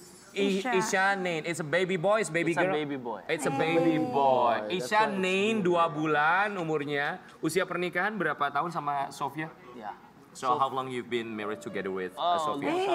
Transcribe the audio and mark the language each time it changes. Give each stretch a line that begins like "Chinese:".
English: Ishanen, it's a baby boy, it's a girl. It's a baby boy.
Indonesian: Ishanen 2 bulan umurnya. Usia pernikahan berapa tahun sama Sofia?
English: Yeah. So how long you've been married together with Sofia?